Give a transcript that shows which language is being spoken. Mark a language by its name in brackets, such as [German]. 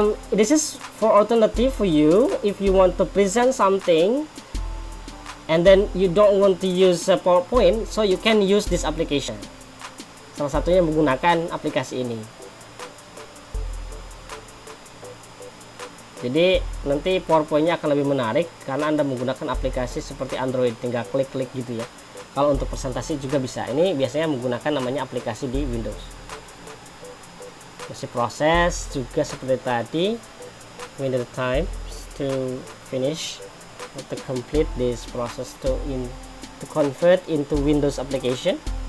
[English] This is for alternative for you, if you want to present something, and then you don't want to use PowerPoint, so you can use this application. [Indonesian] Salah satunya menggunakan aplikasi ini. Jadi nanti PowerPoint-nya akan lebih menarik karena Anda menggunakan aplikasi seperti Android, tinggal klik-klik gitu ya. Kalau untuk presentasi juga bisa. Ini biasanya menggunakan namanya aplikasi di Windows. Masih proses juga seperti tadi. [English] We need time to finish or to complete this process to convert into Windows application.